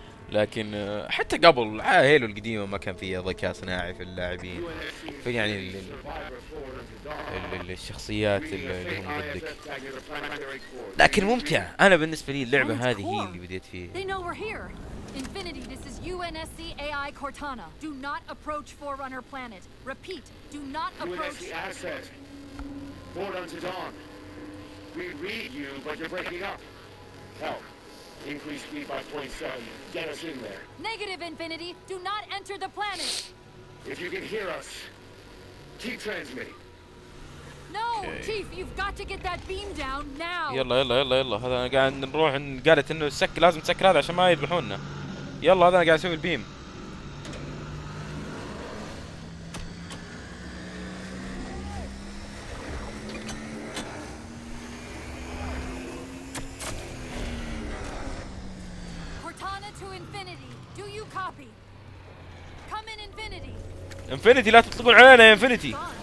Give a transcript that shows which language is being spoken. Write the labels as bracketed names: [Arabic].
[Arabic] لكن حتى قبل هيلو القديمه ما كان فيها ذكاء صناعي في اللاعبين، في يعني الشخصيات اللي هم ضدك. لكن ممتع. انا بالنسبه لي اللعبه هذه هي اللي بديت فيها. [English] They know we're here. Infinity, this is UNSC AI Cortana. Do not approach Forerunner planet. Repeat, do not approach. UNSC asset. Forerunner to dawn. We read you, but you're breaking up. Help. Increase speed by 0.7. Get us in there. Negative, Infinity. Do not enter the planet. If you can hear us, keep transmitting. No, chief, you've got to get that beam down now. [Arabic] يلا يلا يلا يلا، هذا انا قاعد نروح. قالت انه السك لازم تسكر هذا عشان ما يذبحونا. يلا هذا انا قاعد اسوي البيم. [English] Cortana to Infinity, do you copy? Come in Infinity. [Arabic] Infinity لا تطلقون علينا يا Infinity.